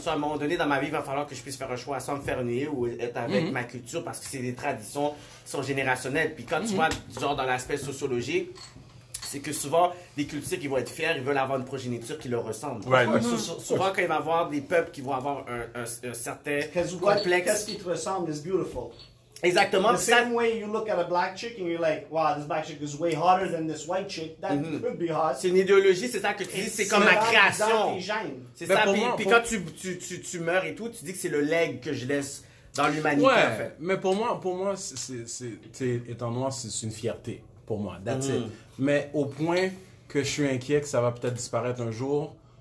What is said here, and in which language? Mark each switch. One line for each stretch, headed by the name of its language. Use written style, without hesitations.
French: So, à un moment donné dans ma vie, il va falloir que je puisse faire un choix sans me faire renier ou être avec ma culture, parce que c'est des traditions qui sont générationnelles. Puis quand tu vois, genre dans l'aspect sociologique, c'est que souvent, les cultures qui vont être fières, ils veulent avoir une progéniture qui leur ressemble.
English: Right. Mm-hmm.
French: Souvent, quand il va y avoir des peuples qui vont avoir un certain complexe. Qu'est-ce qui te ressemble
English: is beautiful.
French: Exactement.
English: The same way you look at a black chick and you're like, wow, this black chick is way hotter than this white chick. That could be hot.
French: C'est une idéologie, c'est ça que tu dis, c'est comme ma création. C'est ça, puis quand tu meurs et tout, tu dis que c'est le leg que je laisse dans l'humanité. Ouais, en fait. Mais pour moi, c'est étant noir, c'est une fierté pour moi.
English: That's it.
French: Mais au point que je suis inquiet que ça va peut-être disparaître un jour.